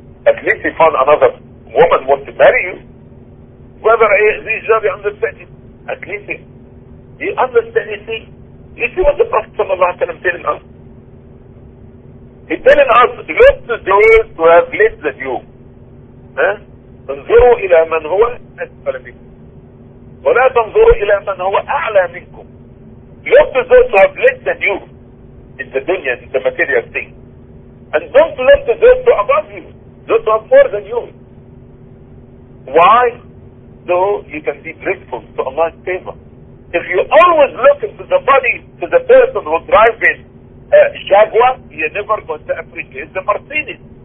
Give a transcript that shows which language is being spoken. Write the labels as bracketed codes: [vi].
[en] At least he found another woman who wants to marry you. Whether he's not understanding, at least he understands. You see what the Prophet sallallahu alaihi wasallam telling us? He's telling us, look to those who have led the view. [ar] انظروا إلى من هو أسفل منكم. ولا تنظروا إلى من هو أعلى منكم. [en] Look to those who have led the view in the dunya, in the material thing. And don't look to those who are above you, those who are more than you. Why? So you can be grateful to Allah's favor. If you always look into the body, to the person who drives in Jaguar, you're never going to appreciate the Mercedes.